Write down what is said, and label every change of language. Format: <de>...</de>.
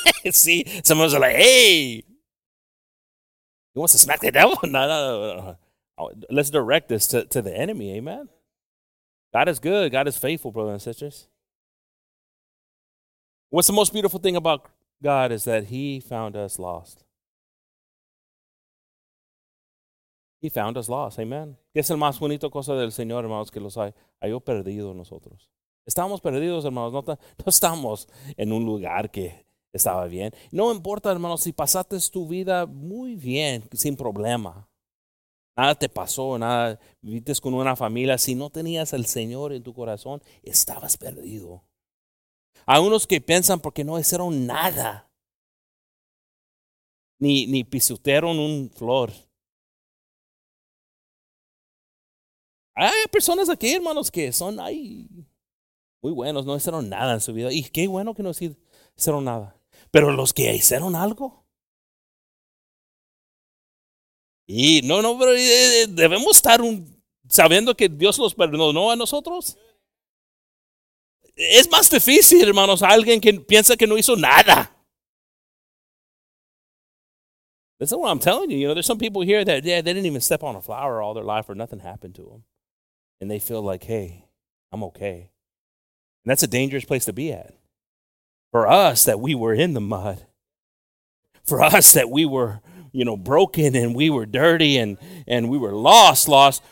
<en>See, some of us are like, hey, you want to smack the devil? No. Let's direct this to the enemy. Amen. God is good. God is faithful, brothers and sisters. What's the most beautiful thing about God is that he found us lost. He found us lost. Amen.</en> <es>¿Qué es el más bonito cosa del Señor, hermanos, que los hay perdido nosotros? Estamos perdidos, hermanos. No estamos en un lugar que estaba bien. No importa, hermanos, si pasaste tu vida muy bien, sin problema. Nada te pasó, nada. Viviste con una familia. Si no tenías al Señor en tu corazón, estabas perdido. Hay unos que piensan porque no hicieron nada. Ni pisotearon un flor. Hay personas aquí, hermanos, que son ahí muy buenos, no hicieron nada en su vida. Y qué bueno que no hicieron nada. Pero los que hicieron algo. Y no, pero debemos estar sabiendo que Dios los perdonó a nosotros. Es más difícil, hermanos, alguien que piensa que no hizo nada.</es> <en>This is what I'm telling you. You know, there's some people here that they didn't even step on a flower all their life or nothing happened to them. And they feel like, hey, I'm okay. And that's a dangerous place to be at. For us that we were in the mud. For us that we were, you know, broken and we were dirty and we were lost.</en>